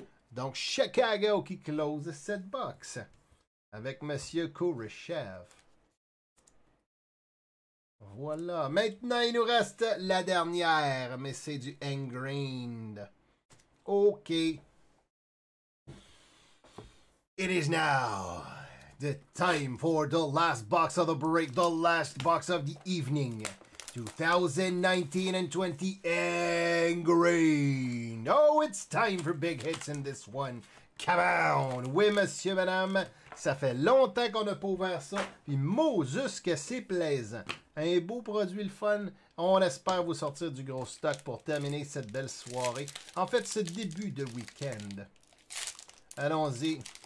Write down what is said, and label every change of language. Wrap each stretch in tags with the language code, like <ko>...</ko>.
<fr>Donc, Chicago qui close cette box avec Monsieur Kouryshev. Voilà. Maintenant, il nous reste la dernière, mais c'est du Engrained. OK.</fr> <en>It is now the time for the last box of the break, the last box of the evening. 2019 and 20 Engrained. Oh, it's time for big hits in this one. Come on!</en> <fr>Oui, monsieur, madame, ça fait longtemps qu'on n'a pas ouvert ça. Puis, Moses, que c'est plaisant. Un beau produit, le fun. On espère vous sortir du gros stock pour terminer cette belle soirée. En fait, ce début de week-end. Allons-y.</fr>